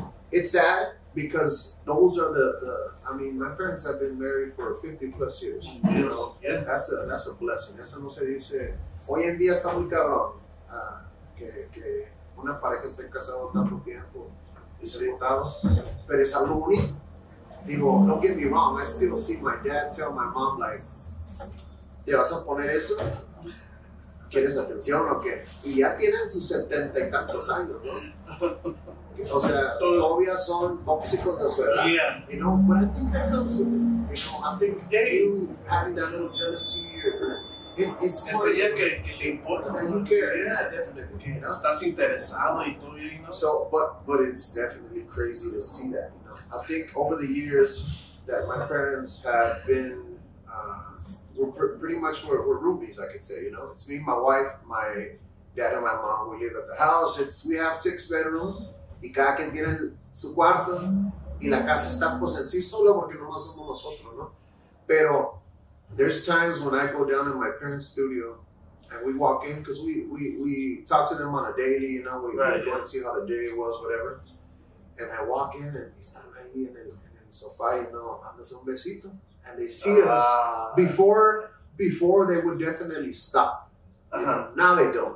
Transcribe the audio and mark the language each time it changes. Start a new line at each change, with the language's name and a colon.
English: It's sad because those are the I mean, my parents have been married for 50 plus years. Yes. So yes. That's a blessing.
Spanish: Eso no se dice. Hoy en día está muy cabrón que una pareja esté casada tanto tiempo y separados. Pero es algo bonito. Digo,
English: don't get me wrong. I still see my dad tell my mom like,
Spanish: ¿te vas a poner eso? ¿Quieres atención o qué? Y ya tienen sus 70 y tantos años, ¿no? O sea, todavía son tóxicos de su edad.
English: Yeah. You know, but I think that comes with it. You know, I think you having that little jealousy it's more.
Spanish: Ese ya que te importa.
English: That you care. Yeah, definitely. Okay. You know?
Spanish: Estás interesado y todo,
English: you know? So, but it's definitely crazy to see that, you know? I think over the years that my parents have been, We're pretty much roomies, I could say, you know. It's me, my wife, my dad, and my mom. We live at the house. We have 6 bedrooms.
Spanish: Y cada quien tiene su cuarto. Y la casa está pues en sí sola porque no somos nosotros, ¿no?
English: Pero there's times when I go down in my parents' studio and we walk in because we talk to them on a daily, you know. We go and see how the day was, whatever. And I walk in and
Spanish: están ahí en el sofá,
English: you know,
Spanish: dándose un besito.
English: And they see us before they would definitely stop. Uh-huh. Now they don't.